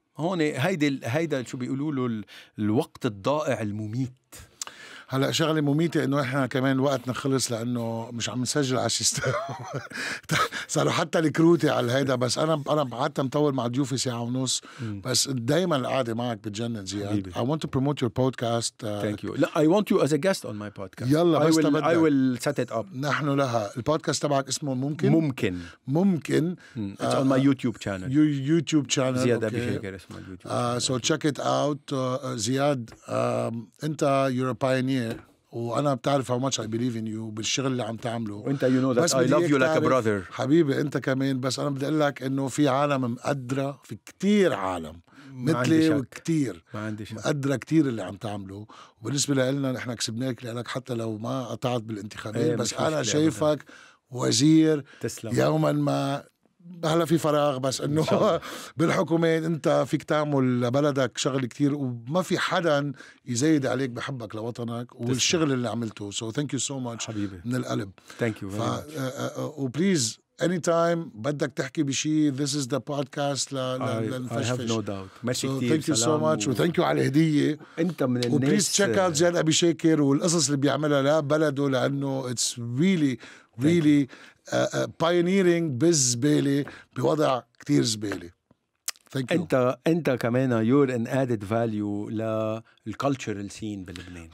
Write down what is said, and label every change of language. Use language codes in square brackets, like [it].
[ar] هون هيدا شو بيقولوا له الوقت الضائع المميت. هلا شغله مميته انه احنا كمان وقتنا خلص لانه مش عم نسجل على سيستم صاروا حتى الكروتي على هيدا. بس انا بعدت مطول مع ضيوفي ساعه ونص، بس دائما القعده معك بتجنن زياد. [en] I want to promote your podcast. Thank you. No, I want you as a guest on my podcast. [ar] يلا [en] بس I will set it up. [ar] نحن لها البودكاست تبعك اسمه ممكن ممكن ممكن. [en] It's on my YouTube channel. Your YouTube channel. [ar] زياد ابي شيكر اسمه [en] YouTube. So check it out. [ar] زياد انت يوروبي وانا بتعرف [en] how much I believe in you [ar] بالشغل اللي عم تعمله. [en] وانت you know that I love you like a brother. [ar] حبيبي انت كمان. بس انا بدي اقول لك انه في عالم مقدرة، في كتير عالم مثلي وكتير مقدرة كتير اللي عم تعمله. وبالنسبة لنا احنا كسبناك لك حتى لو ما قطعت بالانتخابات. بس انا شايفك وزير تسلم. يوما ما هلا في فراغ بس انه بالحكومات انت فيك تعمل لبلدك شغل كتير وما في حدا يزيد عليك بحبك لوطنك والشغل اللي عملته. [en] So thank you so much [ar] حبيبي من القلب. [en] Thank you very much. وبليز anytime [ar] بدك تحكي بشي [en] this is the podcast لنفشفش. I have no doubt. [ar] ماشي كتير. [en] Thank you so much thank you [ar] على الهدية. انت من الناس. وبليز [en] check out [ar] زياد ابي شاكر والقصص اللي بيعملها لا بلده، لانه [en] it's really really pioneering [ar] بزبالي بوضع كتير زبالي. [en] Thank you. [ar] انت كمان [en] you're an added value [ar] للكالتشرال سين بلبنان.